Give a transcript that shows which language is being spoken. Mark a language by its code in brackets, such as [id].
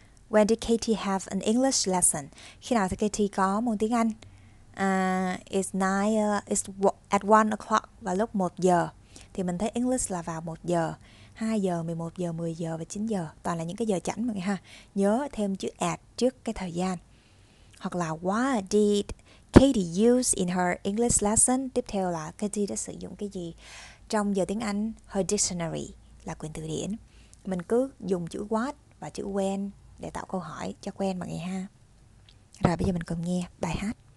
[en] When did Katie have an English lesson? [vi] Khi nào thì Katie có môn tiếng Anh? [en] It's at 1 o'clock, [vi] vào lúc 1 giờ. Thì mình thấy English là vào 1 giờ, 2 giờ, 11 giờ, 10 giờ và 9 giờ. Toàn là những cái giờ chẵn mọi người ha. Nhớ thêm chữ at trước cái thời gian. [en] Hoặc là what did Katie use in her English lesson? [vi] Tiếp theo là Katie đã sử dụng cái gì trong giờ tiếng Anh? [en] Her dictionary, [vi] là quyển từ điển. Mình cứ dùng chữ what và chữ when để tạo câu hỏi cho quen mọi người ha. Rồi bây giờ mình cùng nghe bài hát.